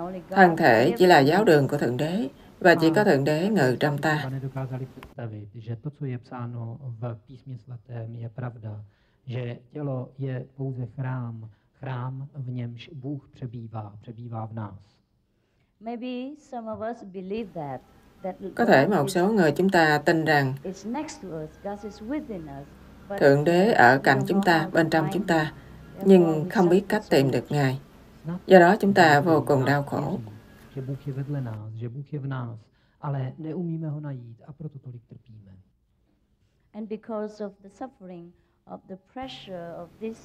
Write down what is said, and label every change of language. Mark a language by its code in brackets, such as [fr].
[vi] Thân thể chỉ là giáo đường của Thượng Đế và chỉ có Thượng Đế ngự trong ta. Chúng ta [cs] nedokázali představit, že to, co je psáno v Písmě svatém, je pravda. Že tělo je pouze chrám, chrám, v němž Bůh přebývá, přebývá v nás. [en] Maybe some of us believe that. [vi] Có thể một số người chúng ta tin rằng [en] it's next to us, God is within us, [vi] but Thượng Đế ở cạnh chúng ta, bên trong chúng ta, nhưng không biết cách tìm được Ngài. Do đó chúng ta vô cùng đau khổ. [cs] Že Bůh je vedle nás, že Bůh je v nás, ale neumíme ho najít a proto tolik trpíme. [en] And because of the suffering of the pressure of this,